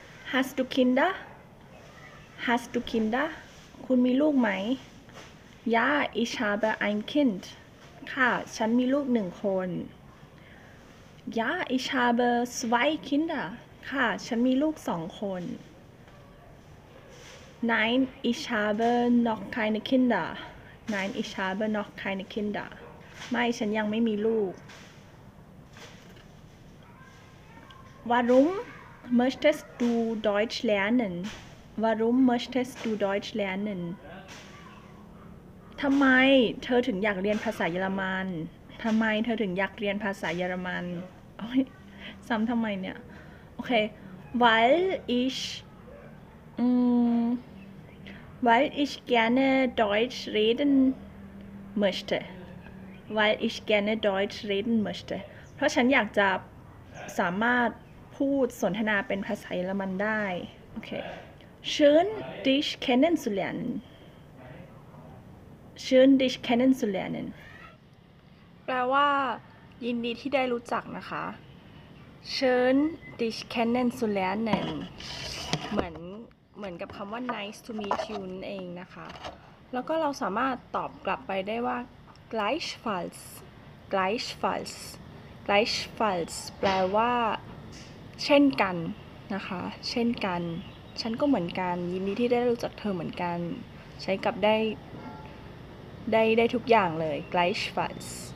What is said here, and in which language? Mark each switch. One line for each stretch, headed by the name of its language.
German: Hast du Kinder Hast du Kinder
Thai: คุณมีลูกไหม
German: Ja Ich habe ein Kind
Thai: ค่ะฉันมีลูกหนึ่งคน
German: Ja Ich habe zwei Kinder
Thai: ค่ะฉันมีลูกสองคน
German: Nein, ich habe noch keine Kinder. Nein, ich habe noch keine Kinder.
Thai: ไม่ฉันยังไม่มีลูก
German: Warum möchtest du Deutsch lernen? Warum möchtest du Deutsch lernen?
Thai: ทำไมเธอถึงอยากเรียนภาษาเยอรมันทำไมเธอถึงอยากเรียนภาษาเยอรมันโอ้ยซ้ำทำไมเนี่ยโอเค
German: Weil ichWeil ich gerne Deutsch reden möchte. Weil ich gerne Deutsch reden möchte.
Thai: เพราะฉันอยากจะสามารถพูดสนทนาเป็นภาษาเยอรมันได้โอเค
German: Schön dich kennenzulernen. Schön dich kennenzulernen.
Thai: แปลว่ายินดีที่ได้รู้จักนะคะ
German: Schön dich kennenzulernen.
Thai: เหมือนกับคำว่า
English: nice to meet you
Thai: เองนะคะแล้วก็เราสามารถตอบกลับไปได้ว่า gleichfalls gleichfalls gleichfalls แปลว่าเช่นกันนะคะเช่นกันฉันก็เหมือนกันยินดีที่ได้รู้จักเธอเหมือนกันใช้กับได้ทุกอย่างเลย gleichfalls